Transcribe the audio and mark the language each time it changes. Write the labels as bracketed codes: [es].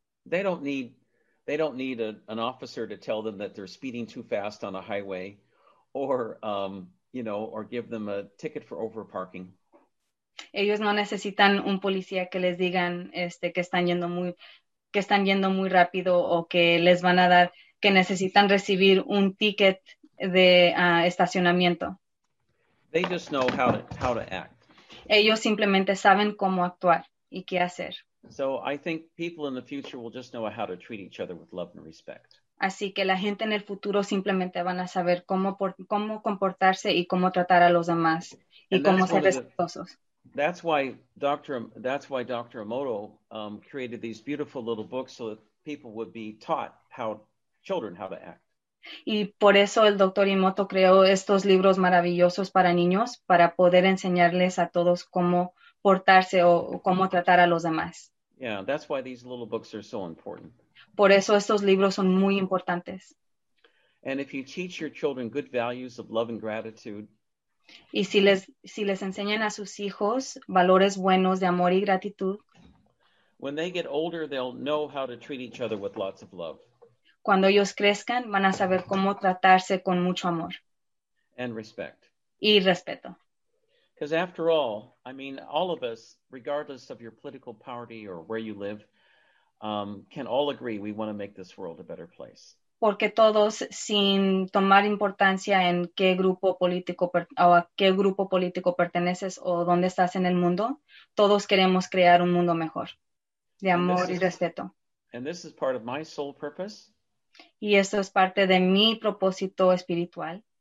[en] They don't need an officer to tell them that they're speeding too fast on a highway or give them a ticket for overparking. [es] Ellos no necesitan un policía que les digan que están yendo muy rápido o que les van a dar que necesitan recibir un ticket de estacionamiento. [en] They just know how to act. [es] Ellos simplemente saben cómo actuar y qué hacer. [en] So I think people in the future will just know how to treat each other with love and respect. [es] Así que la gente en el futuro simplemente van a saber cómo comportarse y cómo tratar a los demás y cómo ser respetuosos. [en] That's why Dr. Emoto created these beautiful little books so that people would be taught how to act. [es] Y por eso el Dr. Emoto creó estos libros maravillosos para niños para poder enseñarles a todos cómo portarse o cómo tratar a los demás. [en] Yeah, that's why these little books are so important. [es] Por eso estos libros son muy importantes. [en] And if you teach your children good values of love and gratitude, [es] y si les enseñan a sus hijos valores buenos de amor y gratitud, [en] when they get older, they'll know how to treat each other with lots of love. [es] Cuando ellos crezcan, van a saber cómo tratarse con mucho amor. [en] And respect. [es] Y respeto. [en] Because after all, I mean, all of us, regardless of your political party or where you live, can all agree we want to make this world a better place. [es] Porque todos, sin tomar importancia en qué grupo político o a qué grupo político perteneces o dónde estás en el mundo, todos queremos crear un mundo mejor, de amor y respeto. [en] And this is part of my soul purpose. [es] Y esto es parte de mi propósito espiritual.